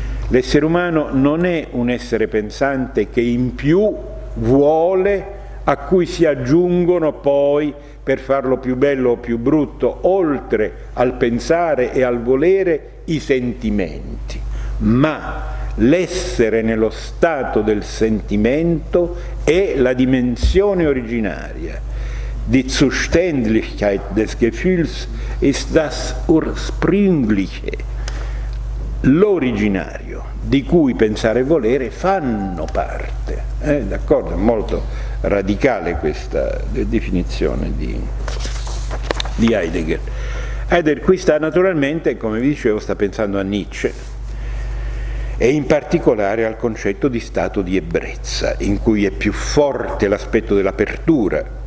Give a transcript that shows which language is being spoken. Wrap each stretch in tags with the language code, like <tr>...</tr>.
<it>L'essere umano non è un essere pensante che in più vuole, a cui si aggiungono poi, per farlo più bello o più brutto, oltre al pensare e al volere, i sentimenti, ma l'essere nello stato del sentimento è la dimensione originaria.</it> <de>Die Zuständigkeit des Gefühls ist das Ursprüngliche.</de> <it>L'originario, di cui pensare e volere fanno parte. D'accordo? Molto radicale questa definizione di Heidegger. Heidegger qui sta naturalmente, come vi dicevo, sta pensando a Nietzsche, e in particolare al concetto di stato di ebbrezza, in cui è più forte l'aspetto dell'apertura</it>